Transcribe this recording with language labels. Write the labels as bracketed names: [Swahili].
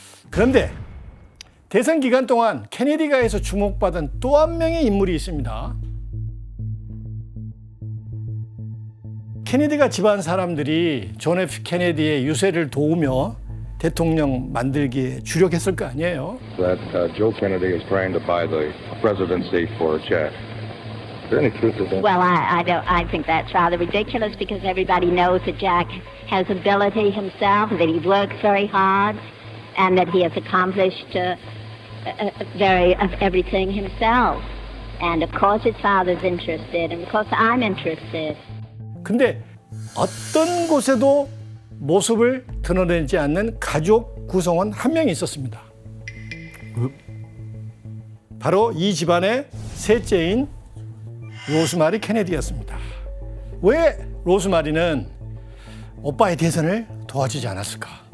[Korean] 그런데 대선 기간 동안 케네디가에서 주목받은 또 한 명의 인물이 있습니다. 케네디가 집안 사람들이 존 F. 케네디의 유세를 도우며 대통령 만들기에 주력했을 거 아니에요? [English] Joe Kennedy is trying to buy the presidency for Jack. Is there any truth to that? Well, I think that's rather ridiculous because everybody knows that Jack has ability himself, that he works very hard. And that he has accomplished everything himself. And of course his father's interested, and of course I'm interested. [Korean] 근데 어떤 곳에도 모습을 드러내지 않는 가족 구성원 한 명이 있었습니다. 바로 이 집안의 셋째인 로즈마리 케네디였습니다. 왜 로즈마리는 오빠의 대선을 도와주지 않았을까?